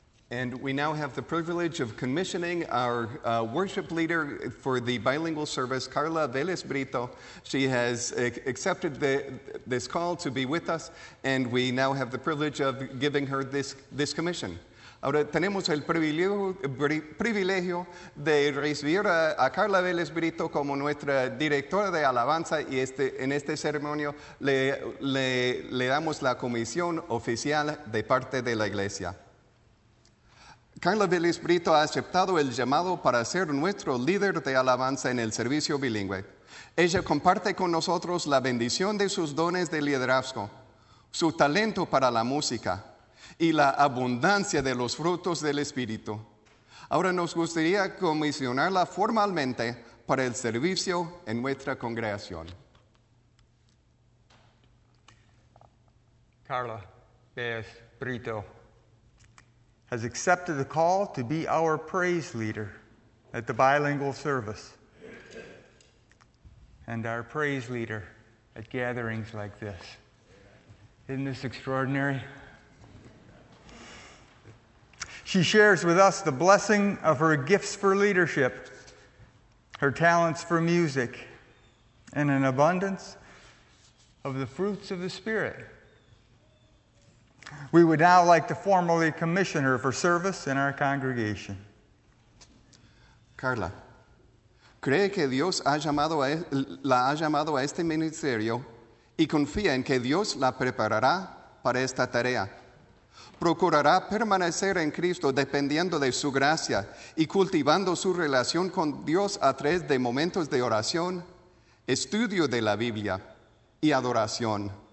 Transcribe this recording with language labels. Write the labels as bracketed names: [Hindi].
[English] And we now have the privilege of commissioning our worship leader for the bilingual service, Carla Vélez Brito. She has accepted this call to be with us, and we now have the privilege of giving her this commission. [Spanish] Ahora tenemos el privilegio de recibir a Carla Vélez Brito como nuestra directora de alabanza y en este ceremonio le damos la comisión oficial de parte de la iglesia. Carla Vélez Brito ha aceptado el llamado para ser nuestro líder de alabanza en el servicio bilingüe. Ella comparte con nosotros la bendición de sus dones de liderazgo, su talento para la música y la abundancia de los frutos del Espíritu. Ahora nos gustaría comisionarla formalmente para el servicio en nuestra congregación. [English] Carla Baez Brito has accepted the call to be our praise leader at the bilingual service and our praise leader at gatherings like this. Isn't this extraordinary? She shares with us the blessing of her gifts for leadership, her talents for music, and an abundance of the fruits of the Spirit. We would now like to formally commission her for service in our congregation. [Spanish] Carla, ¿cree que Dios la ha llamado a este ministerio y confía en que Dios la preparará para esta tarea? ¿Procurará permanecer en Cristo dependiendo de su gracia y cultivando su relación con Dios a través de momentos de oración, estudio de la Biblia y adoración?